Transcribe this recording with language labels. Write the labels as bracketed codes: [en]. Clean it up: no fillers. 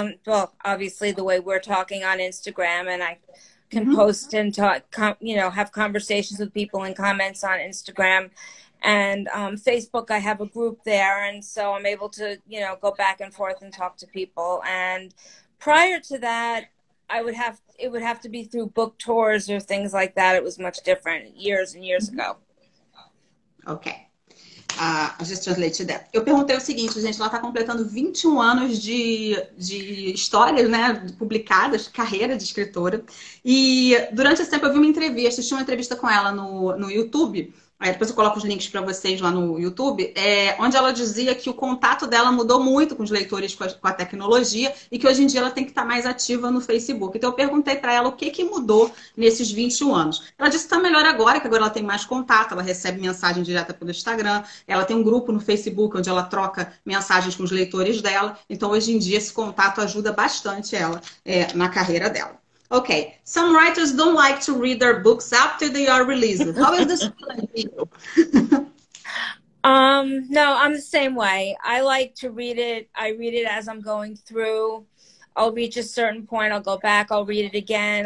[en] Well, obviously the way we're talking on Instagram, and I can post and talk, have conversations with people and comments on Instagram and Facebook. I have a group there, and so I'm able to, go back and forth and talk to people. And prior to that, it would have to be through book tours or things like that. It was much different years and years ago. [pt] Okay. a Gesttranslate dela. Eu perguntei o seguinte, gente, ela está completando 21 anos de histórias, né, publicadas, carreira de escritora, e durante esse tempo eu vi uma entrevista, assisti uma entrevista com ela no YouTube. Aí depois eu coloco os links para vocês lá no YouTube, onde ela dizia que o contato dela mudou muito com os leitores com a tecnologia e que hoje em dia ela tem que estar mais ativa no Facebook. Então eu perguntei para ela o que que mudou nesses 21 anos. Ela disse que está melhor agora, que agora ela tem mais contato, ela recebe mensagem direta pelo Instagram, ela tem um grupo no Facebook onde ela troca mensagens com os leitores dela. Então hoje em dia esse contato ajuda bastante ela, na carreira dela. [en] Okay, some writers don't like to read their books after they are released. How is this feeling for you? No, I'm the same way. I like to read it. I read it as I'm going through. I'll reach a certain point, I'll go back, I'll read it again.